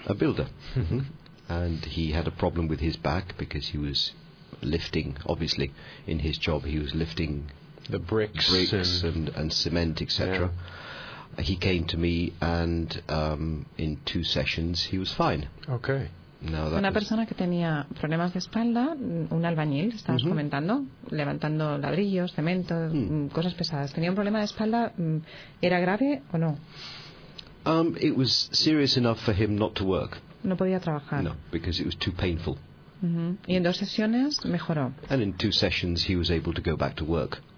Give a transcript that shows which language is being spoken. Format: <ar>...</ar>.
<en>Mm-hmm. And he had a problem with his back because he was lifting, obviously, in his job, he was lifting the bricks and cement, etc. Yeah. He came to me and in two sessions he was fine. Okay.</en> <es>No, una persona que tenía problemas de espalda, un albañil, estabas mm-hmm. comentando, levantando ladrillos, cemento, cosas pesadas. ¿Tenía un problema de espalda? ¿Era grave o no?</es> <en>It was serious enough for him not to work.</en> <es>No podía trabajar.</es> <en>No, because it was too painful.</en> <es>Mm-hmm. Y en dos sesiones mejoró.</es> <en>And in two sessions he was able to go back to work.</en>